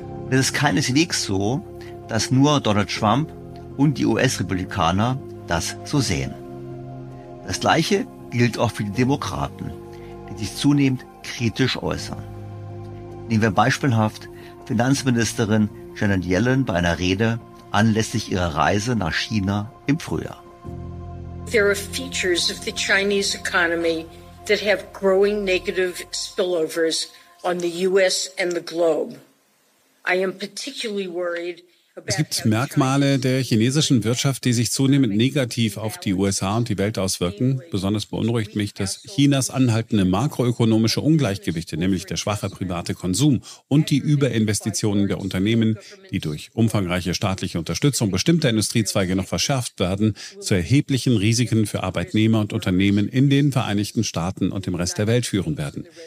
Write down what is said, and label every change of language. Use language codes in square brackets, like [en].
[de] Es ist keineswegs so, dass nur Donald Trump und die US-Republikaner das so sehen. Das Gleiche gilt auch für die Demokraten, die sich zunehmend kritisch äußern. Nehmen wir beispielhaft Finanzministerin Janet Yellen bei einer Rede anlässlich ihrer Reise nach China im Frühjahr. [en] There are features of the Chinese economy that have growing negative spillovers on the US and the globe. I am particularly worried. [de] Es gibt Merkmale der chinesischen Wirtschaft, die sich zunehmend negativ auf die USA und die Welt auswirken. Besonders beunruhigt mich, dass Chinas anhaltende makroökonomische Ungleichgewichte, nämlich der schwache private Konsum und die Überinvestitionen der Unternehmen, die durch umfangreiche staatliche Unterstützung bestimmter Industriezweige noch verschärft werden, zu erheblichen Risiken für Arbeitnehmer und Unternehmen in den Vereinigten Staaten und dem Rest der Welt führen werden.